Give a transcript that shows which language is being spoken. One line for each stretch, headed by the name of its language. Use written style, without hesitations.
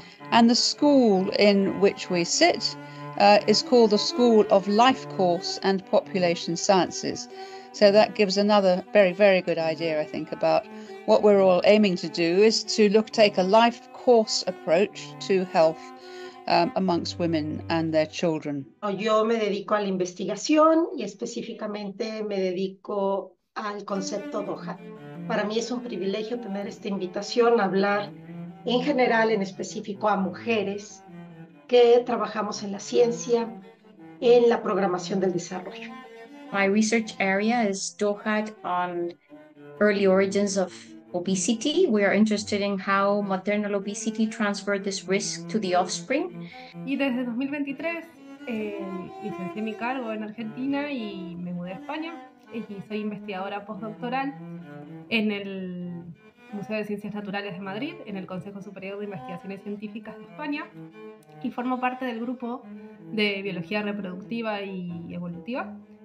English: And the school in which we sit is called the School of Life Course and Population Sciences. So that gives another very, very good idea, I think, about what we're all aiming to do is to look, take a life course approach to health amongst women and their children.
Spanish: Yo me dedico a la investigación y específicamente me dedico al concepto Dohad. Para mí es un privilegio tener esta invitación a hablar en general, en específico a mujeres que trabajamos en la ciencia, en la programación del desarrollo.
English: My research area is Dohad on early origins of obesity. We are interested in how maternal obesity transferred this risk to the offspring.
Spanish: Y desde 2023 licencié mi cargo en Argentina y me mudé a España y soy investigadora postdoctoral en el Museo de Ciencias Naturales de Madrid, en el Consejo Superior de Investigaciones Científicas de España, y formo parte del grupo de Biología Reproductiva y Evolutiva.